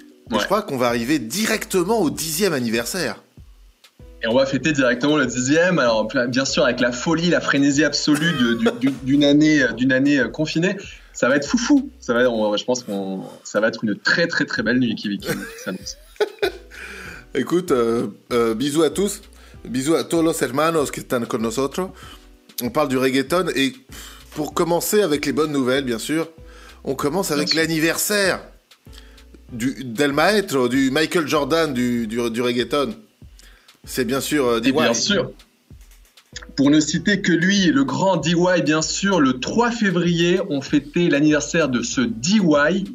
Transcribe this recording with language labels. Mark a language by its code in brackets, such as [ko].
[fr] Ouais. Je crois qu'on va arriver directement au 10e anniversaire. Et on va fêter directement le 10e. Alors, bien sûr, avec la folie, la frénésie absolue d'une année confinée, ça va être foufou. Ça va être une très, très, très belle nuit qui s'annonce. Écoute, bisous à tous. Bisous à [es] todos los hermanos que están con nosotros. [fr] On parle du reggaeton et pour commencer avec les bonnes nouvelles, bien sûr, on commence avec l'anniversaire [es] del maestro, [fr] du Michael Jordan du reggaeton. C'est bien sûr DY. Bien sûr. Pour ne citer que lui, le grand DY, bien sûr, le 3 février, on fêtait l'anniversaire de ce DY.